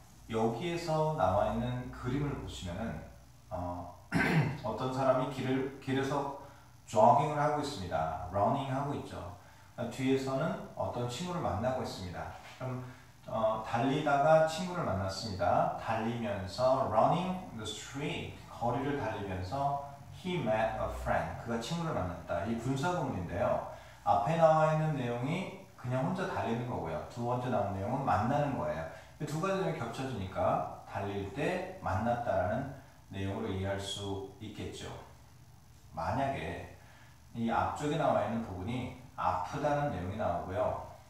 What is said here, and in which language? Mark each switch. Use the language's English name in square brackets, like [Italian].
[Korean] 여기에서 나와 있는 그림을 보시면은, 어떤 사람이 길에서 조깅을 하고 있습니다. 러닝 하고 있죠. 뒤에서는 어떤 친구를 만나고 있습니다. 그럼 달리다가 친구를 만났습니다. 달리면서 [English] running the street [Korean] 거리를 달리면서 [English] he met a friend [Korean] 그가 친구를 만났다. 이 분사구문인데요. 앞에 나와 있는 내용이 그냥 혼자 달리는 거고요. 두 번째 나온 내용은 만나는 거예요. 두 가지 내용이 겹쳐지니까 달릴 때 만났다라는 내용으로 이해할 수 있겠죠. 만약에 이 앞쪽에 나와 있는 부분이 아프다는 내용이 나오고요.